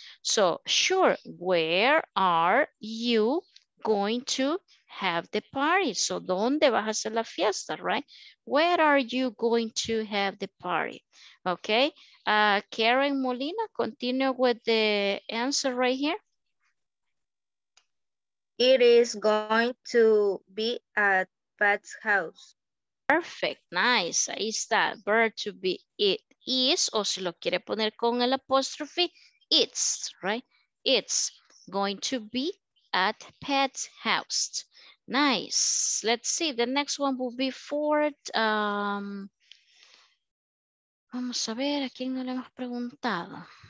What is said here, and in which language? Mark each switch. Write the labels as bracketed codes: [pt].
[en] So, sure, where are you going to have the party? [es] So, ¿dónde vas a hacer la fiesta, right? [en] Where are you going to have the party? Okay, Karen Molina, continue with the answer right here. It is going to be at Pat's house. Perfect, nice, [es] ahí está, [en] verb to be, it is, [es] o si lo quiere poner con el apóstrofe, [en] it's, right, it's going to be at Pat's house, nice, let's see, the next one will be for, [es] vamos a ver, ¿a quién no le hemos preguntado?